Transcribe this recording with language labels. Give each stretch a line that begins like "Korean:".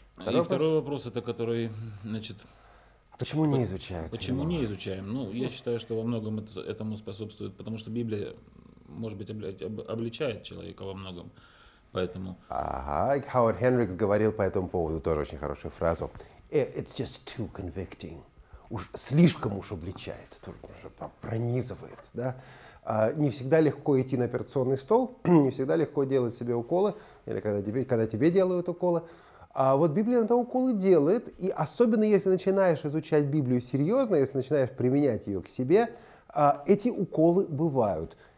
Russian: Второй и второй вопрос, это который, значит... Почему не изучают? Почему не изучаем? Ну, я считаю, что во многом это, этому способствует, потому что Библия, может быть, обличает человека во многом. Поэтому... Ага, и Хауэр Хенрикс говорил по этому поводу тоже очень хорошую фразу.
English: It's just too convicting.
Russian: Уж слишком уж обличает, уже пронизывает, да? Не всегда легко идти на операционный стол, не всегда легко делать себе уколы, или когда тебе делают уколы. А вот Библия на то уколы делает, и особенно если начинаешь изучать Библию серьезно, если начинаешь применять ее к себе, эти уколы бывают.